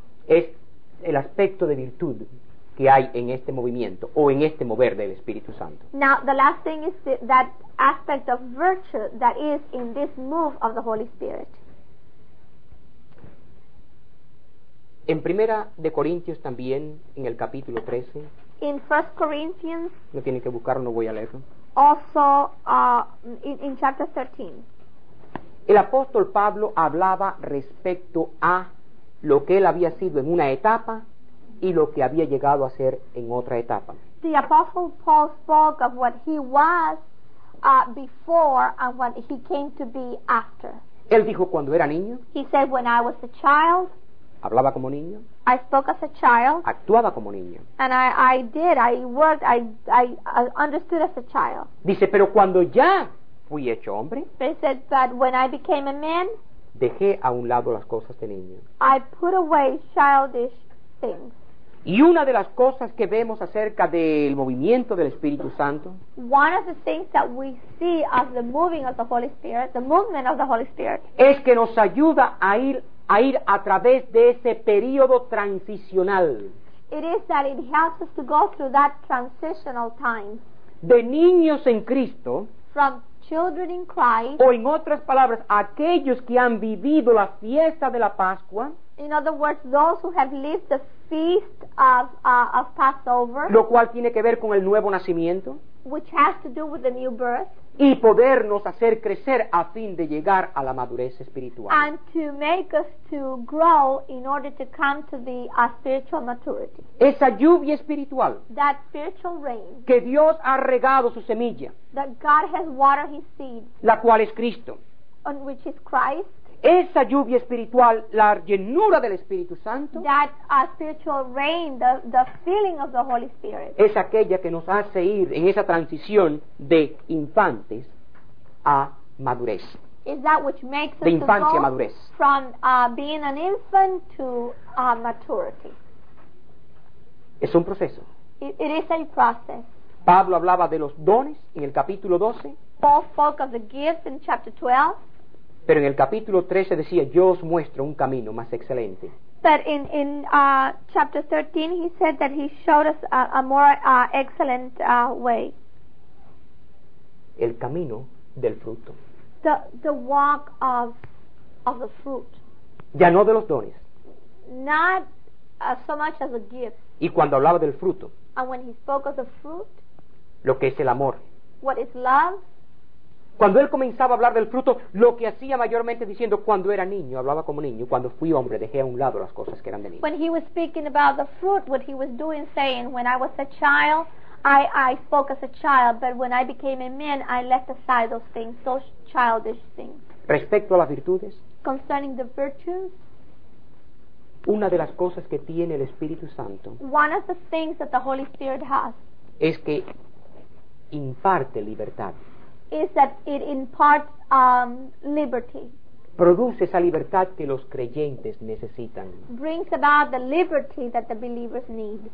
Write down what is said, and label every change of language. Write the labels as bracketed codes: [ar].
[es] Es el aspecto de virtud que hay en este movimiento o en este mover del Espíritu Santo. [en] Now the last thing is that aspect of virtue that is in this move of the Holy Spirit. [es] En Primera de Corintios también, en el capítulo 13. [en] In 1 Corinthians. [es] No tiene que buscarlo, no voy a leerlo. [en] Also in chapter 13. [es] El apóstol Pablo hablaba respecto a lo que él había sido en una etapa y lo que había llegado a ser en otra etapa. [en] The apostle Paul spoke of what he was before and what he came to be after. [es] Él dijo cuando era niño. [en] He said when I was a child. [es] Hablaba como niño. [en] I spoke as a child. [es] Actuaba como niño. [en] And I did. I worked. I understood as a child. [es] Dice, pero cuando ya fui hecho hombre. [en] But he said that when I became a man. [es] Dejé a un lado las cosas de niño. [en] I put away childish things. [es] Y una de las cosas que vemos acerca del movimiento del Espíritu Santo. [en] One of the things that we see of the moving of the Holy Spirit, the movement of the Holy Spirit. [es] Es que nos ayuda a ir a través de ese periodo transicional. [en] It is that it helps us to go through that transitional time. [es] De niños en Cristo. [en] From children in Christ, [es] o en otras palabras, aquellos que han vivido la fiesta de la Pascua, [en] in other words, those who have lived the feast of Passover, [es] lo cual tiene que ver con el nuevo nacimiento, [en] which has to do with the new birth, [es] y podernos hacer crecer a fin de llegar a la madurez espiritual, [en] and to make us to grow in order to come to the spiritual maturity, [es] esa lluvia espiritual, [en] that spiritual rain, [es] que Dios ha regado su semilla, [en] that God has watered his seed, [es] la cual es Cristo, [en] on which is Christ, [es] esa lluvia espiritual, la llenura del Espíritu Santo, [en] that spiritual rain, the filling of the Holy Spirit, [es] es aquella que nos hace ir en esa transición de infantes a madurez, [en] is that which makes [es] de infancia a madurez, [en] from being an infant to maturity. [es] Es un proceso. [en] It is a process. [es] Pablo hablaba de los dones en el capítulo 12. [en] Paul spoke of the gifts in chapter 12. [es] Pero en el capítulo 13 decía, yo os muestro un camino más excelente. [en] But in chapter 13 he said that he showed us a more excellent way. [es] El camino del fruto. [en] The walk of the fruit. [es] Ya no de los dones. [en] Not so much as a gift. [es] Y cuando hablaba del fruto. [en] And when he spoke of the fruit. [es] Lo que es el amor. [en] What is love? [es] Cuando él comenzaba a hablar del fruto, lo que hacía mayormente diciendo, cuando era niño, hablaba como niño, cuando fui hombre, dejé a un lado las cosas que eran de niño. [en] When he was speaking about the fruit, what he was doing, saying, when I was a child, I spoke as a child, but when I became a man, I left aside those things, those childish things. [es] Respecto a las virtudes, [en] concerning the virtues, [es] una de las cosas que tiene el Espíritu Santo, [en] one of the things that the Holy Spirit has, [es] es que imparte libertad. [en] Is that it imparts liberty. [es] Produce esa libertad que los creyentes necesitan. [en] Brings about the liberty that the believers need.